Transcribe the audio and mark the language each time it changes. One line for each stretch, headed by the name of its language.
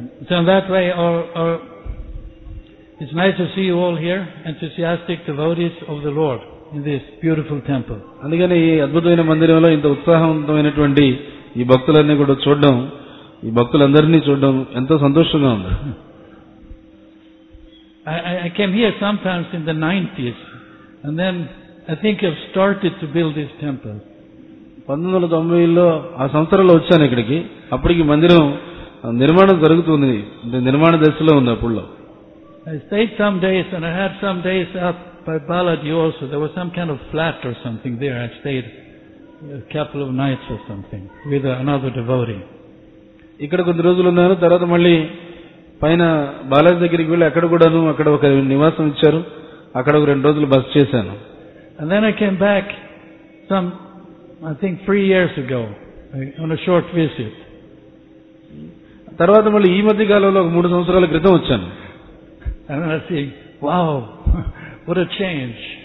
English: So that why are it's nice to see you all here enthusiastic to devotees of the lord in this beautiful temple.
Telugu: అందుకనే ఈ అద్భుతమైన మందిరంలో ఇంత ఉత్సాహవంతమైనటువంటి ఈ భక్తులన్నీ కూడా చూడడం, ఈ భక్తులందరినీ చూడడం ఎంతో సంతోషంగా ఉంది.
English: I came here sometimes in the 90s and then I think I've started to build this temple.
Telugu: 1990s ఆ సంవత్సరంలో వచ్చాను ఇక్కడికి, అప్పటికి మందిరం నిర్మాణం జరుగుతుంది, అంటే నిర్మాణ దశలో ఉంది అప్పుడులో.
English: I stayed some days and I had some days up by Balaji also. There was some kind of flat or something there. I stayed a couple of nights or something with another devotee.
Telugu: ఇక్కడ కొద్ది రోజులు ఉన్నారు, తర్వాత మళ్ళీ పైన బాలాజీ దగ్గరికి వెళ్ళి అక్కడ కూడాను అక్కడ ఒక నివాసం ఇచ్చారు, అక్కడ ఒక రెండు రోజులు బస చేశాను.
English: And then I came back some, I think, 3 years ago on a short visit.
Telugu: తర్వాత మళ్ళీ ఈ మధ్య కాలంలో ఒక 3 సంవత్సరాల క్రితం వచ్చాను.
English: And then I see, wow, what a change.